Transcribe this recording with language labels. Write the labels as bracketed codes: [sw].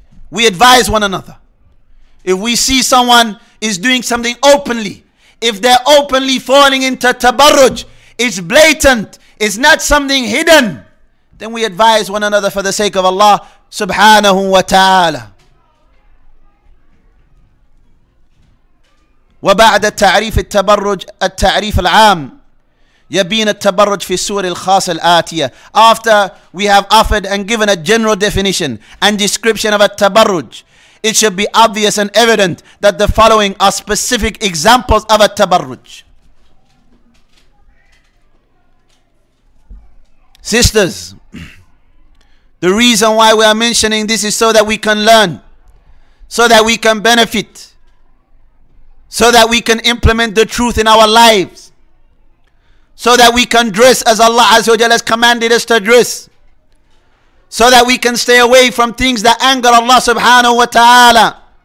[en] We advise one another. If we see someone is doing something openly, if they're openly falling into tabarruj, it's blatant, it's not something hidden, then we advise one another for the sake of Allah subhanahu wa ta'ala. [ar] وبعد تعريف التبرج التعريف العام يبين التبرج في السور الخاص الآتية. [en] After we have offered and given a general definition and description of a tabarruj, it should be obvious and evident that the following are specific examples of a tabarruj. Sisters, the reason why we are mentioning this is so that we can learn, so that we can benefit, so that we can implement the truth in our lives, so that we can dress as Allah Azza wa Jalla has commanded us to dress, so that we can stay away from things that anger Allah subhanahu wa ta'ala.